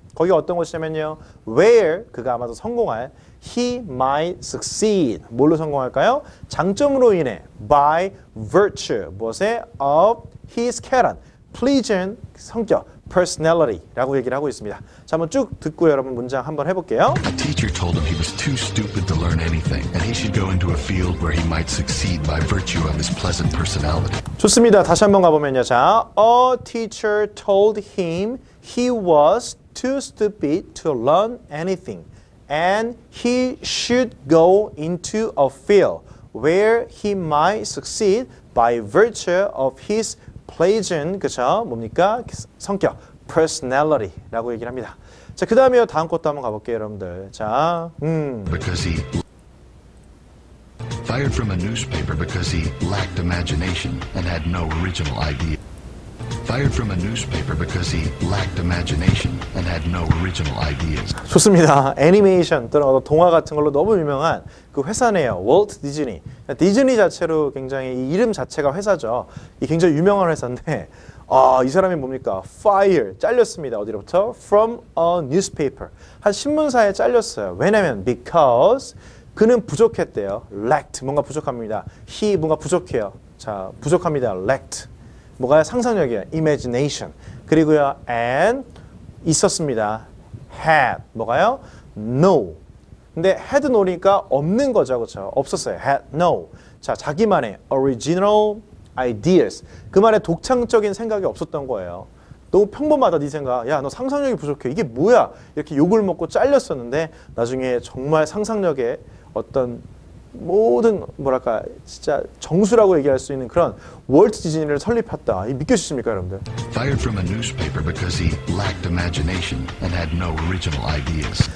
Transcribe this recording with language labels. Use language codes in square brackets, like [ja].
[ko] 거기 어떤 곳이냐면요. [en] Where [ko] 그가 아마도 성공할 [en] He might succeed. [ko] 뭘로 성공할까요? 장점으로 인해 [en] By virtue [ko] 무엇에? [en] Of his character Pleasant [ko] 성격 [en] Personality [ko] 라고 얘기를 하고 있습니다. 자, 한번 쭉 듣고 여러분 문장 한번 해볼게요. [en] The teacher told him he was too stupid to learn anything and he should go into a field where he might succeed by virtue of his pleasant personality. [ko] 좋습니다. 다시 한번 가보면요. [en] 자, A teacher told him he was too stupid to learn anything and he should go into a field where he might succeed by virtue of his pleasant [ko] 그쵸? 뭡니까? 성격 personality 라고 얘기를 합니다. 자, 그 다음에요. 다음 것도 한번 가볼게요, 여러분들. 자, [en] because he fired from a newspaper because he lacked imagination and had no original idea. Fired from a newspaper because he lacked imagination and had no original ideas. [ko] 좋습니다. 애니메이션 또는 어떤 동화 같은 걸로 너무 유명한 그 회사네요. 월트 디즈니. 디즈니 자체로 굉장히 이 이름 자체가 회사죠. 이 굉장히 유명한 회사인데 아, 이 사람이 뭡니까? [en] Fire. [ko] 잘렸습니다. 어디로부터? [en] From a newspaper. [ko] 한 신문사에 잘렸어요. 왜냐면 [en] because [ko] 그는 부족했대요. [en] Lacked. [ko] 뭔가 부족합니다. He 뭔가 부족해요. 자, 부족합니다. [en] Lacked. [ko] 뭐가 상상력이야, imagination. 그리고요, [en] and [ko] 있었습니다. [en] had [ko] 뭐가요? [en] no. [ko] 근데 had no니까 없는 거죠, 그렇죠? 없었어요. had no. 자, 자기만의 [en] original ideas. [ko] 그 말에 독창적인 생각이 없었던 거예요. 너무 평범하다, 네 생각. 야, 너 상상력이 부족해. 이게 뭐야? 이렇게 욕을 먹고 잘렸었는데 나중에 정말 상상력에 어떤 모든 뭐랄까 진짜 정수라고 얘기할 수 있는 그런 월트 디즈니를 설립했다. 믿겨지십니까, 여러분들? [en] Fired from a newspaper because he lacked imagination and had no original ideas.